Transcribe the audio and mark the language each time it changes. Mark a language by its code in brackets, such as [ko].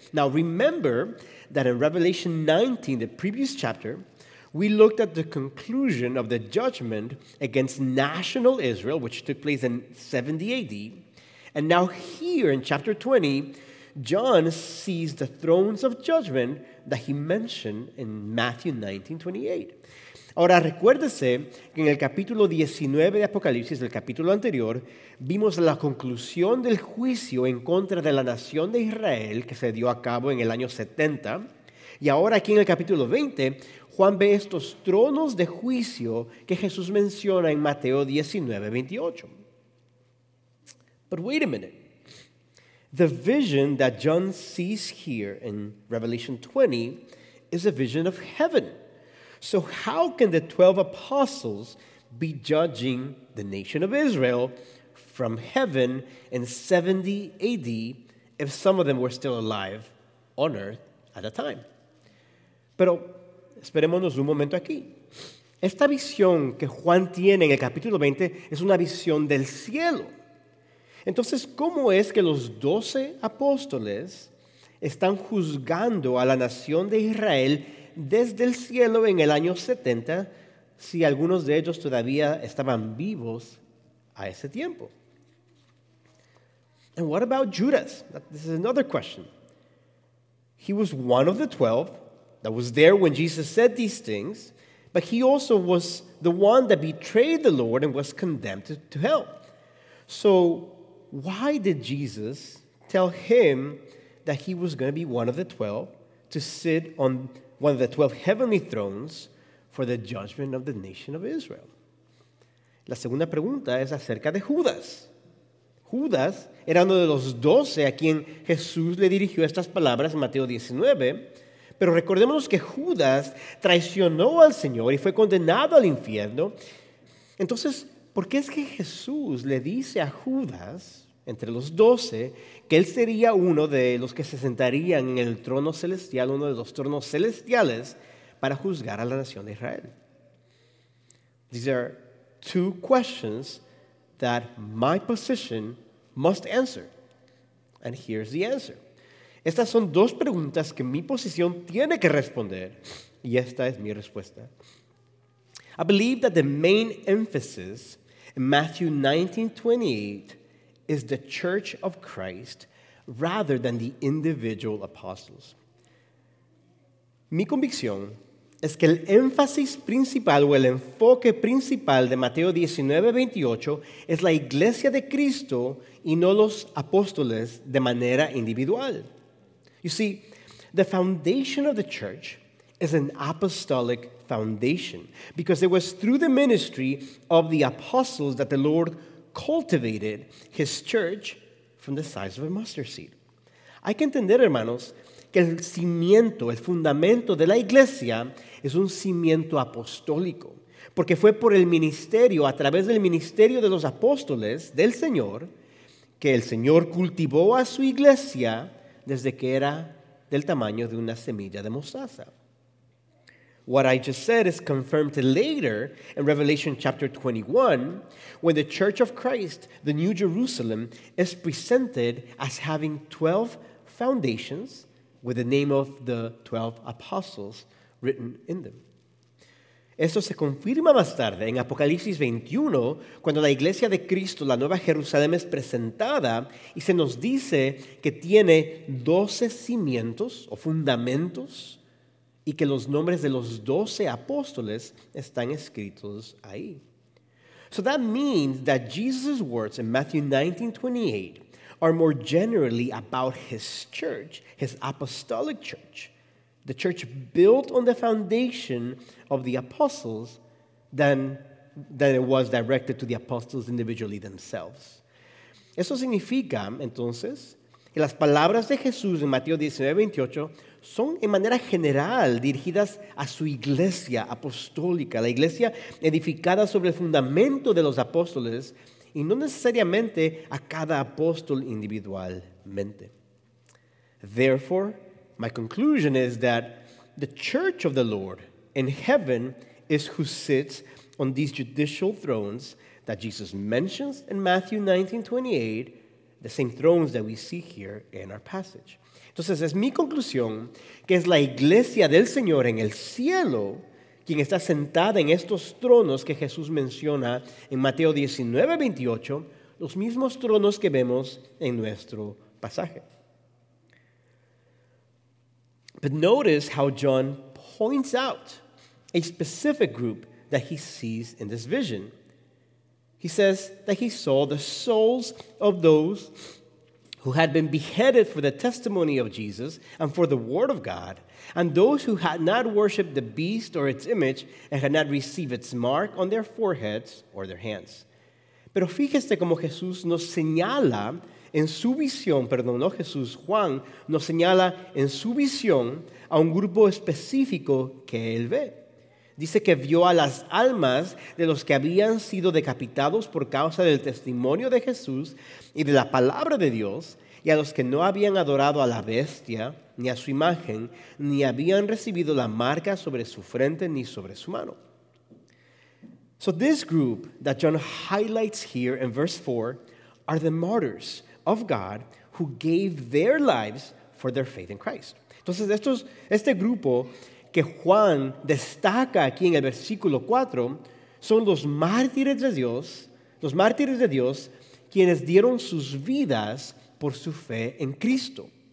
[en] Now remember that in Revelation 19, the previous chapter, we looked at the conclusion of the judgment against national Israel, which took place in 70 AD. And now here in chapter 20, John sees the thrones of judgment that he mentioned in Matthew 19:28. [es] Ahora, recuérdese que en el capítulo 19 de Apocalipsis, el capítulo anterior, vimos la conclusión del juicio en contra de la nación de Israel que se dio a cabo en el año 70. Y ahora aquí en el capítulo 20, Juan ve estos tronos de juicio que Jesús menciona en Mateo 19:28. [en] But wait a minute. The vision that John sees here in Revelation 20 is a vision of heaven. So how can the 12 apostles be judging the nation of Israel from heaven in 70 AD if some of them were still alive on earth at the time? [es] Pero esperémonos un momento aquí. Esta visión que Juan tiene en el capítulo 20 es una visión del cielo. Entonces, ¿cómo es que los 12 apóstoles están juzgando a la nación de Israel desde el cielo en el año 70 si algunos de ellos todavía estaban vivos a ese tiempo? [en] And what about Judas? This is another question. He was one of the 12 that was there when Jesus said these things, but he also was the one that betrayed the Lord and was condemned to hell. So why did Jesus tell him that he was going to be one of the 12 to sit on one of the 12 heavenly thrones for the judgment of the nation of Israel? [es] La segunda pregunta es acerca de Judas. Judas era uno de los 12 a quien Jesús le dirigió estas palabras en Mateo 19. Pero recordemos que Judas traicionó al Señor y fue condenado al infierno. Entonces, ¿por qué es que Jesús le dice a Judas, entre los 12, que él sería uno de los que se sentarían en el trono celestial, uno de los tronos celestiales, para juzgar a la nación de Israel? [en] These are two questions that my position must answer. And here's the answer. [es] Estas son dos preguntas que mi posición tiene que responder. Y esta es mi respuesta. [en] I believe that the main emphasis Matthew 19:28 is the church of Christ rather than the individual apostles. [es] Mi convicción es que el énfasis principal o el enfoque principal de Mateo 19:28 es la iglesia de Cristo y no los apóstoles de manera individual. [en] You see, the foundation of the church is an apostolic foundation, because it was through the ministry of the apostles that the Lord cultivated his church from the size of a mustard seed. [es] Hay que entender, hermanos, que el cimiento, el fundamento de la iglesia es un cimiento apostólico, porque fue por el ministerio, a través del ministerio de los apóstoles del Señor, que el Señor cultivó a su iglesia desde que era del tamaño de una semilla de mostaza. [en] What I just said is confirmed later in Revelation chapter 21, when the Church of Christ, the New Jerusalem, is presented as having 12 foundations with the name of the 12 apostles written in them. [es] Esto se confirma más tarde en Apocalipsis 21, cuando la Iglesia de Cristo, la Nueva Jerusalén, es presentada y se nos dice que tiene 12 cimientos o fundamentos y que los nombres de los 12 apóstoles están escritos ahí. [en] So that means that Jesus' words in Matthew 19:28 are more generally about his church, his apostolic church, the church built on the foundation of the apostles, than than it was directed to the apostles individually themselves. [es] Eso significa, entonces, que las palabras de Jesús en Mateo 19:28 son en manera general dirigidas a su iglesia apostólica, la iglesia edificada sobre el fundamento de los apóstoles y no necesariamente a cada apóstol individualmente. [en] Therefore, my conclusion is that the church of the Lord in heaven is who sits on these judicial thrones that Jesus mentions in Matthew 19:28, the same thrones that we see here in our passage. [es] Entonces, es mi conclusión que es la iglesia del Señor en el cielo quien está sentada en estos tronos que Jesús menciona en Mateo 19:28, los mismos tronos que vemos en nuestro pasaje. [en] But notice how John points out a specific group that he sees in this vision. He says that he saw the souls of those who had been beheaded for the testimony of Jesus and for the word of God, and those who had not worshipped the beast or its image and had not received its mark on their foreheads or their hands. [es] Pero fíjese cómo Jesús nos señala en su visión, Juan nos señala en su visión a un grupo específico que él ve. Dice que vio a las almas de los que habían sido decapitados por causa del testimonio de Jesús y de la palabra de Dios, y a los que no habían adorado a la bestia, ni a su imagen, ni habían recibido la marca sobre su frente ni sobre su mano. [en] So this group that John highlights here in verse 4 are the martyrs of God who gave their lives for their faith in Christ. [es] Entonces, este grupo que Juan destaca aquí en el versículo 4 son los mártires de Dios, quienes dieron sus vidas por su fe en Cristo.